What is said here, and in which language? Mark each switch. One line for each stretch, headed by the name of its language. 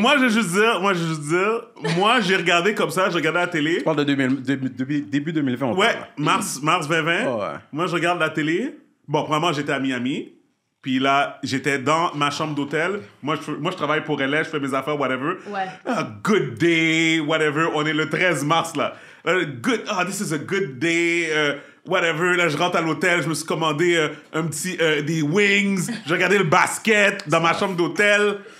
French: Moi, je vais juste dire, moi, j'ai regardé comme ça, j'ai regardé la télé. Tu parles de début 2020, ouais, mars 2020. Oh, ouais. Moi, je regarde la télé. Bon, premièrement, j'étais à Miami. Puis là, j'étais dans ma chambre d'hôtel. Moi, je travaille pour LA, je fais mes affaires, whatever. Ouais. Ah,
English: good day,
French: whatever. On est le 13 mars, là.
English: Good, ah, oh, this is a good day.
French: Whatever, là, je rentre à l'hôtel, je me suis commandé un petit, des wings, j'ai regardé le basket dans ma chambre d'hôtel.